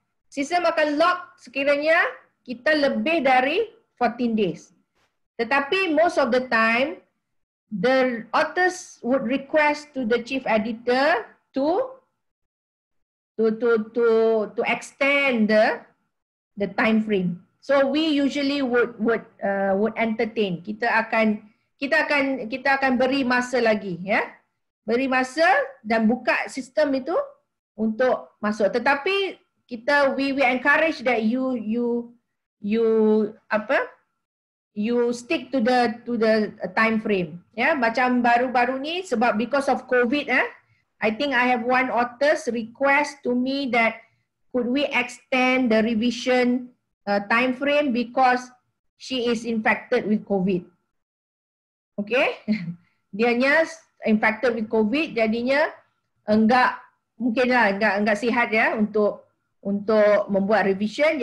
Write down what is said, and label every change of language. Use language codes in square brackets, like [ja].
[ms] Sistem akan lock sekiranya kita lebih dari 14 days. [en] Tetapi most of the time, the authors would request to the chief editor to extend the time frame. So we usually would entertain. [ms] Kita akan beri masa lagi, ya. Yeah? Beri masa dan buka sistem itu untuk masuk. [en] Tetapi we encourage that you stick to the time frame. Ya, yeah? [ms] Macam baru-baru ni sebab [en] because of COVID, eh, I think I have one author's request to me that could we extend the revision time frame because she is infected with COVID. Okay? [ms] Dianya [en] infected with COVID, [ms] jadinya enggak, mungkinlah enggak sihat, ya, untuk membuat revision.